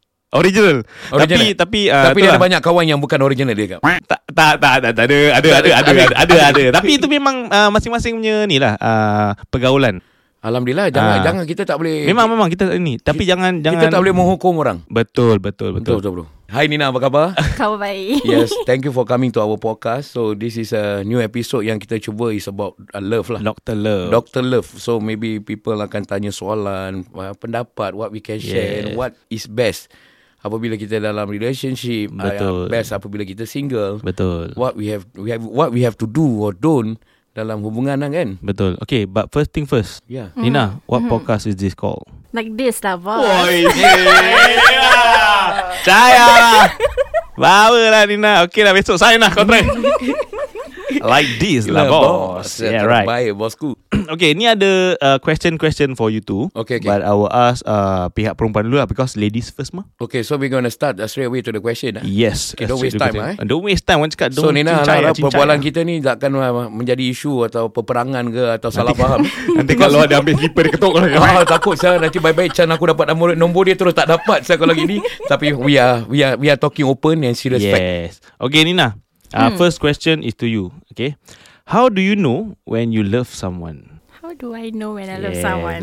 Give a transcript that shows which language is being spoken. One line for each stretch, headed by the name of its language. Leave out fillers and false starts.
English: Original.
Malay: Tapi dia ada banyak kawan yang bukan original dia kan? Tak ada. Tapi itu memang masing-masing punya ni lah pergaulan. Alhamdulillah, jangan kita tak boleh. Memang kita ni. Tapi jangan kita tak boleh menghukum orang. Betul. Hai Nina, apa khabar? Khabar baik.
English: Yes, thank you for coming to our podcast. So this is a new episode
Malay: yang kita cuba
English: is about love lah. Dr. Love. So maybe people
Malay: akan tanya soalan, pendapat,
English: what we can share, and what is best
Malay: apabila kita dalam
English: relationship.
Malay: Betul. Best apabila kita single. Betul.
English: What we have to do or don't
Malay: dalam hubungan lah kan. Betul.
English: Okay, but first thing first. Yeah. Nina, what podcast is this called? Like this lah, boss.
Malay: Oh, yeah. Caya lah. Bawa lah Nina. Okay lah, besok sign lah kontrak.
English: Like this lah boss. Yeah, yeah, right.
Malay: Baik bosku.
English: Okay,
Malay: ni ada
English: question for you too. Okay, okay. But I will ask
Malay: pihak perempuan dulu lah,
English: because ladies first mah. Okay, so we're gonna start straight away to the question. Yes. Okay, don't waste time lah. Don't waste time. Want cakap,
Malay: so Nina, harap perbualan kita ni takkan menjadi isu atau peperangan ke atau salah faham. Nanti kalau ada ambil slipper ketuk lah. Takut saya nanti baik-baik chan aku dapat nombor dia terus tak dapat saya kalau gini. Tapi
English: we are talking open and serious fact. Yes. Okay, Nina. First question is to you. Okay, how do you know when you love someone? How do I know when I love someone?